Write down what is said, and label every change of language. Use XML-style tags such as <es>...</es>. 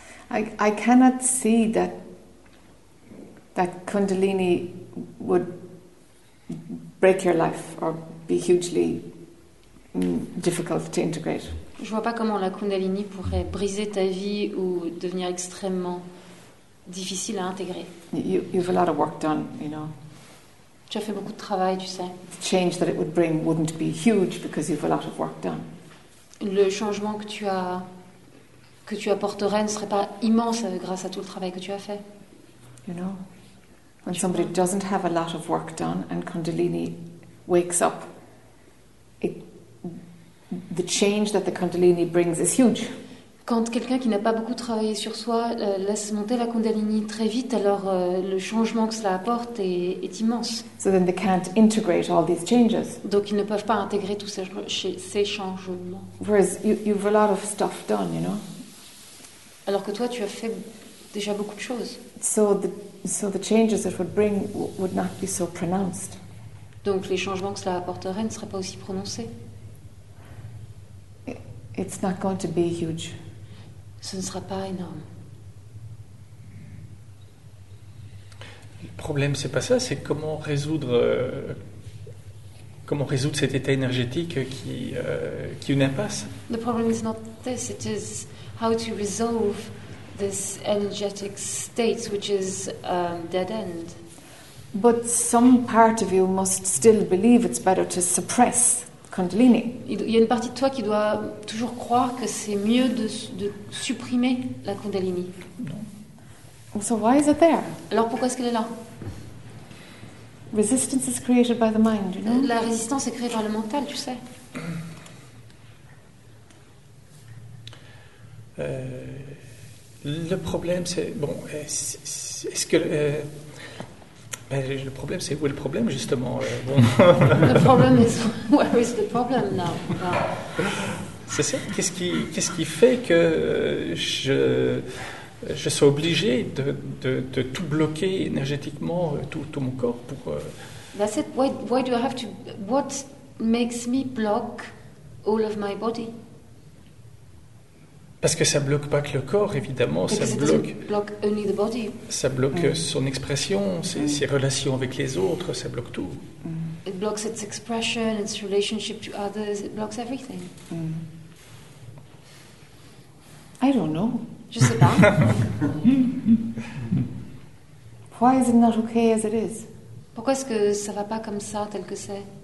<en>I cannot see that Kundalini would break your life or be hugely difficult to integrate.</en> <fr>Je vois pas comment la Kundalini pourrait briser ta vie ou devenir extrêmement difficile à intégrer.</fr> <en>You've a lot of work done, you know.</en> <fr>Tu as fait beaucoup de travail, tu sais.</fr> <en>The change that it would bring wouldn't be huge because you've a lot of work done.</en> <fr>Le changement que tu apporterais ne serait pas immense grâce à tout le travail que tu as fait.</fr> <en>You know, when somebody doesn't have a lot of work done and Kundalini wakes up, the change that the Kundalini brings is huge.</en> <fr>quand quelqu'un qui n'a pas beaucoup travaillé sur soi laisse monter la Kundalini très vite, alors le changement que cela apporte est immense.</fr> <en>So then they can't integrate all these changes.</en> <fr>Donc ils ne peuvent pas intégrer tous ces changements.</fr> <en>Whereas you've a lot of stuff done, you know.</en> <fr>Alors que toi, tu as fait déjà beaucoup de choses.</fr> <en>So the changes it would bring would not be so pronounced.</en> <fr>Donc les changements que cela apporterait ne seraient pas aussi prononcés.</fr> <en>It's not going to be huge.</en> <fr>Ce ne sera pas énorme. Le problème, c'est pas ça. C'est comment résoudre cet état énergétique qui est une impasse.</fr> <en>The problem is not this. It is how to resolve this energetic state, which is dead end. But some part of you must still believe it's better to suppress. Kundalini.</en> <fr>Il y a une partie de toi qui doit toujours croire que c'est mieux de supprimer la Kundalini. Non.</fr> <en>So why is it there?</en> <fr>Alors pourquoi est-ce qu'elle est là?</fr> <en>Resistance is created by the mind, you know?</en> <fr>La résistance est créée par le mental, tu sais. Le problème, c'est... Bon, est-ce que... Le problème, c'est où est le problème, justement bon.</fr> <en>The problem is, where is the problem now?</en> <fr>C'est ça. Qu'est-ce qui fait que je sois obligé de tout bloquer énergétiquement, tout mon corps pour...</fr> <en>That's it. Why do I have to... What makes me block all of my body?</en> <fr>Parce que ça bloque pas que le corps, évidemment, ça bloque son expression, ses relations avec les autres, ça bloque tout.</fr> <en>Mm. It blocks its expression, its relationship to others, it blocks everything. Mm. I don't know.</en> <fr>Je sais pas.</fr> <en>Why is it not okay as it is?</en> <fr>Pourquoi est-ce que ça va pas comme ça, tel que c'est?</fr>